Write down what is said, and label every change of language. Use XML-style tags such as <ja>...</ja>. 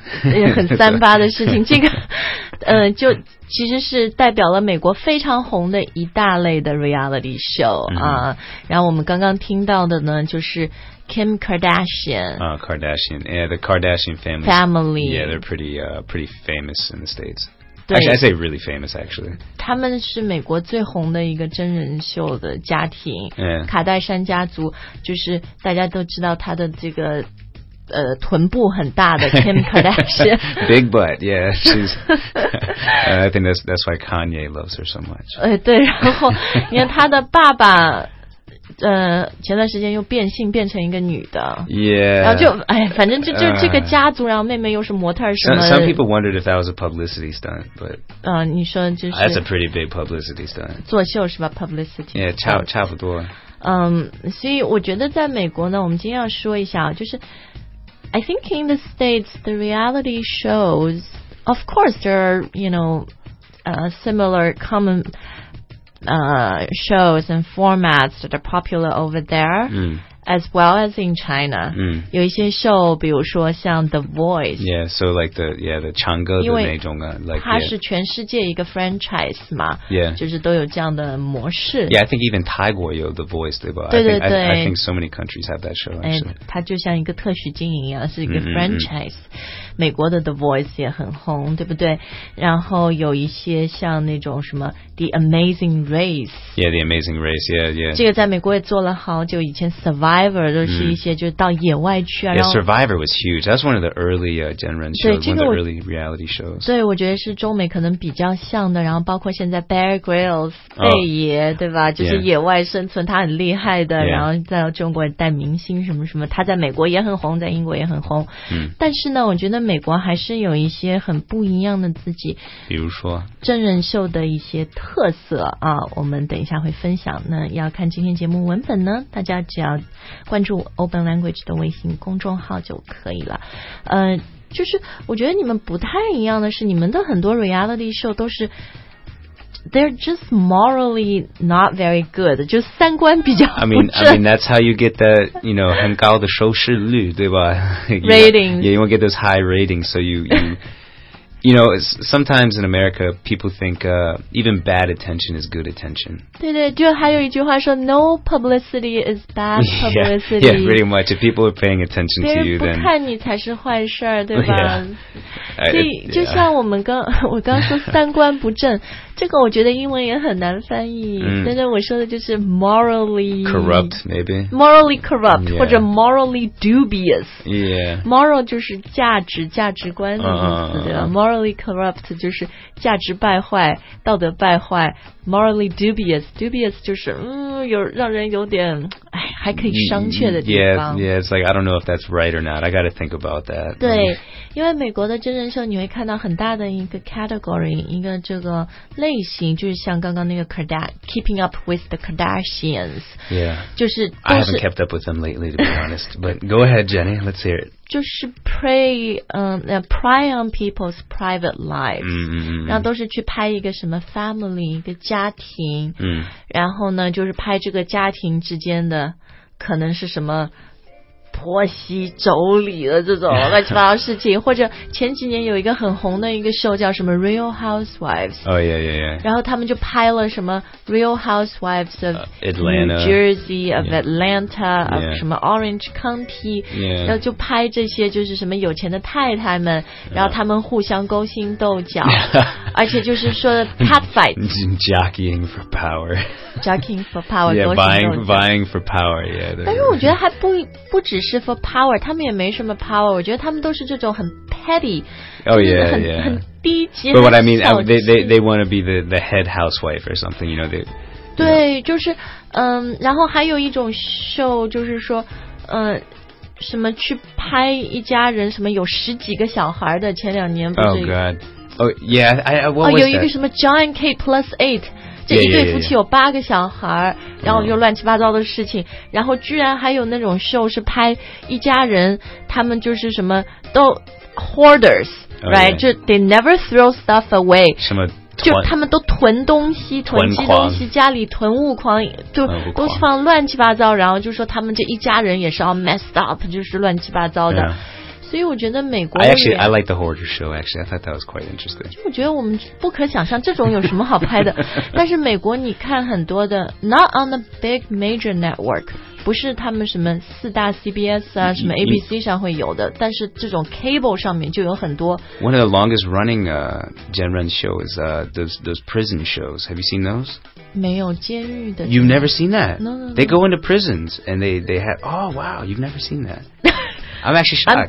<zh>很三八的事情，这个，就其实是代表了美国非常红的一大类的 reality show 啊。然后我们刚刚听到的呢，就是。</zh> <en>Kim Kardashian. Kardashian. Yeah, the Kardashian family. Family. Yeah, they're pretty famous in the States. Actually, I say really famous, actually.</en> <zh>他们是美国最红的一个真人秀的家庭。</zh> <en>Yeah.</en> <zh>卡戴珊家族就是大家都知道他的这个臀部很大的 Kim Kardashian.</zh> <en>Big butt, yeah. She's, I think that's why Kanye loves her so much.</en> <zh>对，然后你看他的爸爸前段时间又变性变成一个女的</zh> <en>yeah</en> <zh>然后就反正就这个家族然后妹妹又是模特什么</zh> <en>some people wondered if that was a publicity stunt but</en> <zh>你说就是</zh> <en>that's a pretty big publicity stunt</en> <zh>作秀是吧 publicity yeah 差不多所以我觉得在美国呢我们今天要说一下就是</zh> <en>I think in the States the reality shows of course there are you know similar commonshows and formats that are popular over there、as well as in China、</en> <zh>有一些 show 比如说像</zh> <en>The Voice yeah so like the yeah the</en> <zh>唱歌的那种、</zh> <en>like,</en> <zh>它是全世界一个 franchise 嘛</zh> <en>yeah</en> <zh>就是都有这样的模式</zh> <en>yeah I think even</en> <zh>泰国有</zh> <en>The Voice 对吧</en> <zh>对对对</zh> <en>I think so many countries have that show、actually.</en> <zh>它就像一个特许经营一样是一个 franchise、美国的 The Voice 也很红对不对然后有一些像那种什么 The Amazing Race</zh> <en>yeah The Amazing Race yeah yeah</en> <zh>这个在美国也做了好久以前 Survivor 都是一些就是到野外去啊、</zh> <en>yeah, Survivor was huge that's one of the early gen run shows、</en> <zh>这个、</zh> <en>one of the early reality shows</en> <zh>对我觉得是中美可能比较像的然后包括现在 Bear Grylls 贝爷、对吧就是野外生存他很厉害的、</zh> <en>yeah.</en> <zh>然后在中国带明星什么什么他在美国也很红在英国也很红、但是呢我觉得那美国还是有一些很不一样的自己比如说真人秀的一些特色啊我们等一下会分享那要看今天节目文本呢大家只要关注 Open Language 的微信公众号就可以了就是我觉得你们不太一样的是你们的很多 reality show 都是</zh> <en>They're just morally not very good.</en> <zh>就三观比较不正。</zh> <en>I mean, that's how you get that, you know,</en> <zh>很高的收视率，对吧</zh> <en>？Rating. Yeah, you want to get those high ratings, so you You know, sometimes in America, people think even bad attention is good attention.</en> <zh>对对，就还有一句话说 ，</zh> <en>No publicity is bad publicity. Yeah, yeah, pretty much. If people are paying attention to you, then</en> <zh>别人不看你才是坏事儿，对吧？</zh> <en>Yeah.</en> <zh>所以就像我们刚我刚说三观不正，这个我觉得英文也很难翻译。但是我说的就是 morally</zh> <en>corrupt, maybe morally corrupt、yeah. 或者 morally dubious. Yeah,</en> <zh>moral 就是价值价值观的意思、对吧。 Morally corrupt 就是价值败坏，道德败坏。 Morally dubious, dubious 就是有让人有点哎，还可以商榷的地方。</zh> <en>Yeah, it's like I don't know if that's right or not. I got to think about that.</en> <zh>对，因为美国的真人秀你会看到很大的一个 category， 一个这个类型，就是像刚刚那个 Keeping Up with the Kardashians.</zh> <en>Yeah.</en> <zh>就是</zh> <en>I haven't kept up with them lately, to be honest. But go ahead, Jenny. Let's hear it.</en> <zh>就是</zh> <en>prey, prey on people's private lives、</en> <zh>然后都是去拍一个什么 family 一个家庭、然后呢就是拍这个家庭之间的可能是什么婆媳妯娌的这种乱七八糟事情或者前几年有一个很红的一个show叫什么 Real Housewives、然后他们就拍了什么 Real Housewives of</zh> <en>Atlanta,</en> <zh>New Jersey, of Atlanta, of 什么 Orange County, 然后就拍这些就是什么有钱的太太们然后他们互相勾心斗角而且就是说 catfight</zh> <en>jockeying for power jockeying for power yeah, vying for power yeah,</en> <zh>但是我觉得还不只是 for power 他们也没什么 power 我觉得他们都是这种很 petty</zh> <en>But what I mean, they want to be the head housewife or something, you know. They,</en> <zh>对， you know. 就是，然后还有一种秀，就是说，什么去拍一家人，什么有十几个小孩的，前两年不是</zh> <en>？Oh God! Oh yeah, what was</en> <zh>有一个什么 John K plus eight。这一对夫妻有八个小孩 然后又乱七八糟的事情、然后居然还有那种秀是拍一家人他们就是什么都 hoarders、right 就</zh> <en>they never throw stuff away</en> <zh>什么就他们都囤东西囤积东西家里囤物狂就东西放乱七八糟然后就说他们这一家人也是</zh> <en>all messed up</en> <zh>就是乱七八糟的、所以我觉得美国</zh> <en>I like the horror show actually I thought that was quite interesting</en> <zh>我觉得我们不可想象这种有什么好拍的但是美国你看很多的</zh> <en>not on the big major network</en> <zh>不是他们什么四大 CBS 啊什么 ABC 上会有的但是这种 cable 上面就有很多</zh> <en>one of the longest running genre show is those prison shows have you seen those</en> <zh>没有监狱的</zh> <en>you've never seen that no. they go into prisons and they have oh wow you've never seen thatI'm actually shocked.</en>